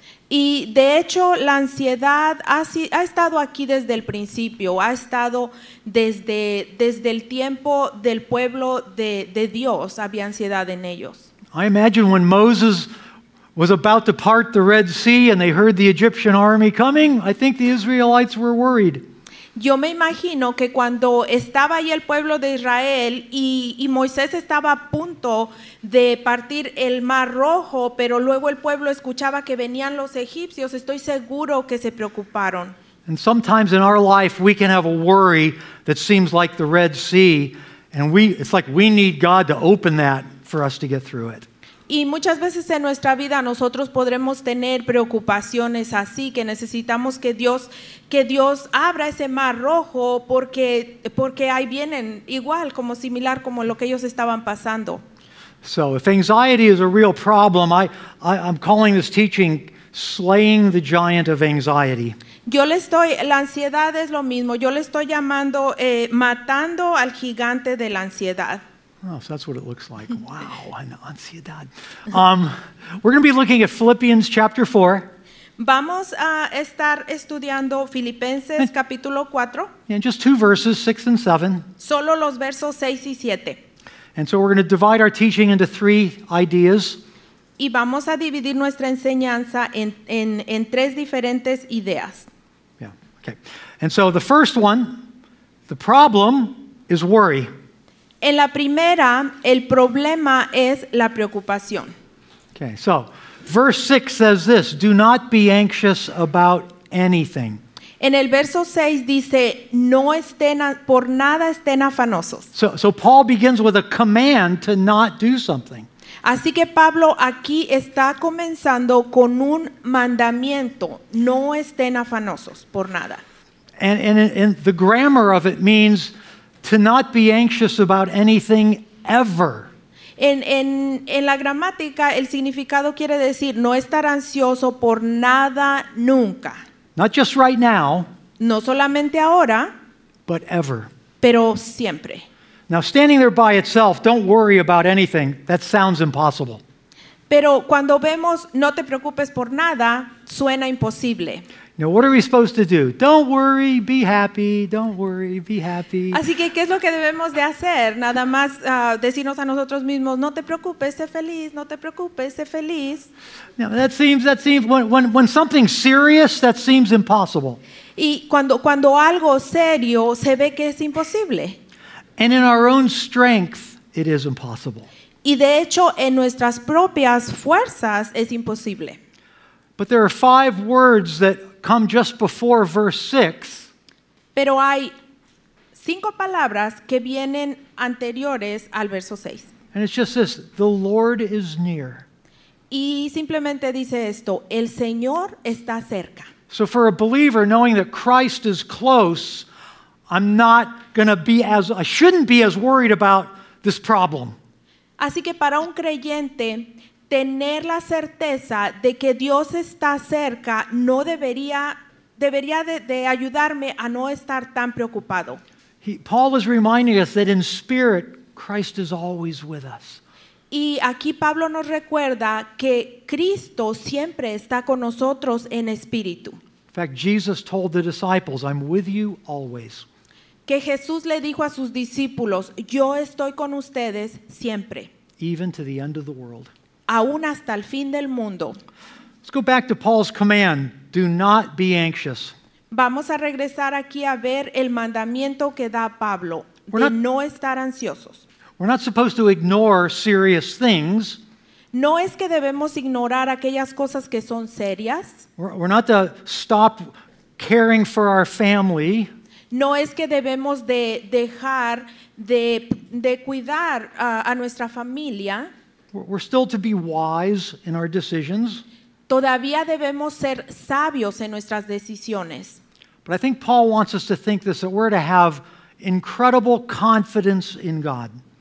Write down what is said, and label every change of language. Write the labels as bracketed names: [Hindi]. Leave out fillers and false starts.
[Spanish] Y de hecho, la ansiedad ha estado aquí desde el principio. Ha estado desde el tiempo del pueblo de Dios. Había ansiedad en ellos. [English] I imagine when Moses was about to part the Red Sea and they heard the Egyptian army coming, I think the Israelites were worried. [Spanish] Yo me imagino que cuando estaba ahí el pueblo de Israel y Moisés estaba a punto de partir el Mar Rojo, pero luego el pueblo escuchaba que venían los egipcios, estoy seguro que se preocuparon. [English] And sometimes in our life we can have a worry that seems like the Red Sea, and it's like we need God to open that for us to get through it. [Spanish] Y muchas veces en nuestra vida nosotros podremos tener preocupaciones así, que necesitamos que Dios abra ese mar rojo porque ahí vienen igual, como similar como lo que ellos estaban pasando. [English] So if anxiety is a real problem, I'm calling this teaching slaying the giant of anxiety. [Spanish] La ansiedad es lo mismo. Yo le estoy llamando matando al gigante de la ansiedad. [English] Oh, so that's what it looks like. Wow, an ansiedad. We're going to be looking at Philippians chapter 4. [Spanish] Vamos a estar estudiando Filipenses capítulo 4. [English] And just two verses, 6 and 7. [Spanish] Solo los versos 6 y 7. [English] And so we're going to divide our teaching into three ideas. [Spanish] Y vamos a dividir nuestra enseñanza en tres diferentes ideas. [English] Yeah, okay. And so the first one, the problem is worry. [Spanish] En la primera, el problema es la preocupación. [English] Okay, so verse 6 says this, do not be anxious about anything. [Spanish] En el verso 6 dice, no estén, por nada estén afanosos. [English] So Paul begins with a command to not do something. [Spanish] Así que Pablo aquí está comenzando con un mandamiento, no estén afanosos por nada. [English] And the grammar of it means to not be anxious about anything ever. [Spanish] En la gramática, el significado quiere decir no estar ansioso por nada nunca. [English] Not just right now. [Spanish] No solamente ahora. [English] But ever. [Spanish] Pero siempre. [English] Now, standing there by itself, don't worry about anything. That sounds impossible. [Spanish] Pero cuando vemos no te preocupes por nada, suena imposible. [English] Now, what are we supposed to do? Don't worry, be happy. Don't worry, be happy. [Spanish] Así que, ¿qué es lo que debemos de hacer? Nada más decirnos a nosotros mismos, no te preocupes, sé feliz, no te preocupes, sé feliz. [English] Now, that seems when something's serious, that seems impossible. [Spanish] Y cuando algo serio, se ve que es imposible. [English] And in our own strength, it is impossible. [Spanish] Y de hecho, en nuestras propias fuerzas, es imposible. [English] But there are five words that come just before verse 6. [Spanish] Pero hay cinco palabras que vienen anteriores al verso 6. [English] And it's just this, the Lord is near. [Spanish] Y simplemente dice esto, el Señor está cerca. [English] So for a believer, knowing that Christ is close, I'm not going to be as, I shouldn't be as worried about this problem. [Spanish] Así que para un creyente, tener la certeza de que Dios está cerca no debería de ayudarme a no estar tan preocupado. [English] Paul is reminding us that in spirit, Christ is always with us. [Spanish] Y aquí Pablo nos recuerda que Cristo siempre está con nosotros en espíritu. [English] In fact, Jesus told the disciples, I'm with you always. [Spanish] Que Jesús le dijo a sus discípulos, yo estoy con ustedes siempre. [English] Even to the end of the world. [Spanish] Aún hasta el fin del mundo. [English] Let's go back to Paul's command, do not be anxious. [Spanish] Vamos a regresar aquí a ver el mandamiento que da Pablo, no estar ansiosos. [English] We're not supposed to ignore serious things. [Spanish] No es que debemos ignorar aquellas cosas que son serias. [English] We're not to stop caring for our family. [Spanish] No es que debemos de dejar de cuidar a nuestra familia. [English] We're still to be wise in our decisions. [Spanish] Todavía debemos ser sabios en nuestras decisiones. [English] But I think Paul wants us to think this, that we're to have incredible confidence in God.